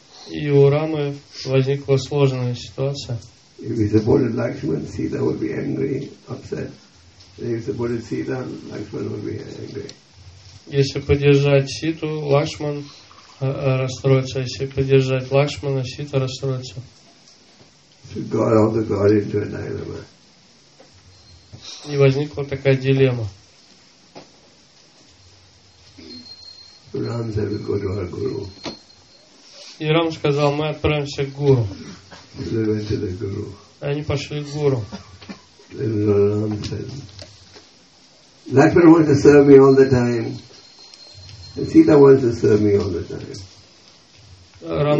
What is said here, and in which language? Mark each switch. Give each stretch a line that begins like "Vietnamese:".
Russian: И у Рамы возникла сложная ситуация.
English: If he supported Lakshman, Sita would be angry, upset. If he supported Sita, Lakshman would be angry.
Russian: Если поддержать Ситу, Лакшман расстроится. Если поддержать Лакшмана, Сита расстроится.
English: So God all the God into a dilemma.
Russian: И возникла такая дилемма.
English: Ram said, go to our guru.
Russian: И Рам сказал, мы отправимся к гуру.
English: They went to the guru.
Russian: Они пошли к гуру.
English: And Ram said, Lakshmana wants to serve me all the time. And Sita wants to serve me all the time.